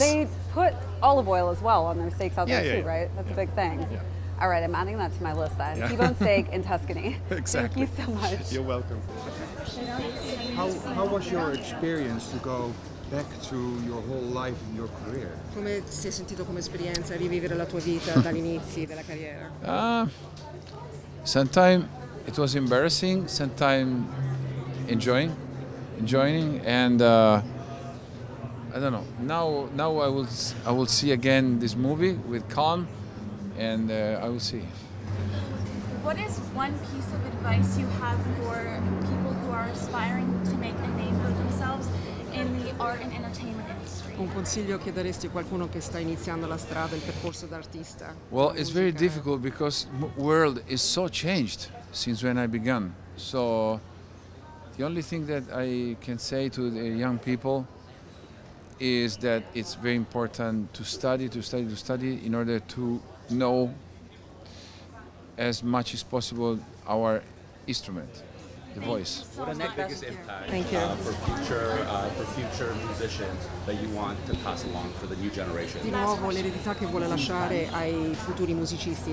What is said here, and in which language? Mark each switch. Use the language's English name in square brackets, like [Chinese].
[English] They put olive oil as well on their steaks out there too, right? That's yeah. a big thing. Yeah. All right, I'm adding that to my list then. Yeah. T-bone steak in Tuscany. Exactly. Thank you so much. You're welcome. How was your experience to go back to your whole life and your career? [Italian] Come si è sentito come esperienza rivivere la tua vita dagli inizi della carriera? [English] Sometimes it was embarrassing, sometimes enjoying, and I don't know. Now I will see again this movie with calm. And I will see. What is one piece of advice you have for people who are aspiring to make a name for themselves in the art and entertainment industry? [Italian] Un consiglio che daresti a qualcuno che sta iniziando la strada, il percorso d'artista? [English] Well, it's very difficult because the world is so changed since when I began. So the only thing that I can say to the young people is that it's very important to study in order to know as much as possible our instrument, the voice. So what is the biggest impact for future musicians that you want to pass along for the new generation? [Italian] Di nuovo, l'eredità che vuole lasciare ai futuri musicisti.